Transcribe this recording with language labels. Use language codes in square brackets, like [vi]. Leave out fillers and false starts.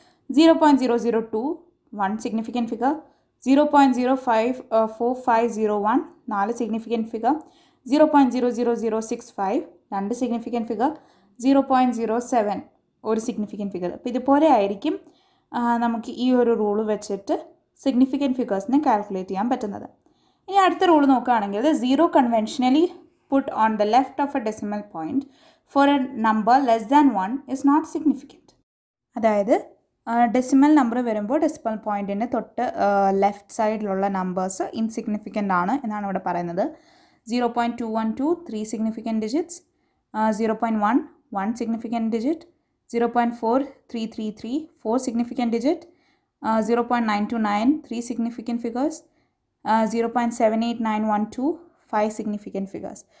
[ml] 0.002 one significant figure, 0.054501 നാല് significant figure, 0.00065 രണ്ട് significant figure, 0.07 ഒരു സിഗ്നിഫിക്കൻറ്റ് ഫിഗർ. അപ്പോൾ ഇതുപോലെ ആയിരിക്കും നമുക്ക് ഈ ഒരു റൂൾ വെച്ചിട്ട് സിഗ്നിഫിക്കൻറ്റ് ഫിഗേഴ്സിനെ കാൽക്കുലേറ്റ് ചെയ്യാൻ പറ്റുന്നത്. ഇനി അടുത്ത റൂൾ നോക്കുകയാണെങ്കിൽ zero conventionally [en] put on the left of a decimal point for a number less than 1 is not significant. [ml] അതായത് ഡെസിമൽ നമ്പർ വരുമ്പോൾ ഡെസിമൽ പോയിൻറ്റിൻ്റെ തൊട്ട് ലെഫ്റ്റ് സൈഡിലുള്ള നമ്പേഴ്സ് ഇൻസിഗ്നിഫിക്കൻ്റ് ആണ് എന്നാണ് ഇവിടെ പറയുന്നത്. 0.212 3 significant digits, 0.1 1 significant digit, 0.4333 4 significant digit, 0.929 3 significant figures, 0.78912 5 significant figures.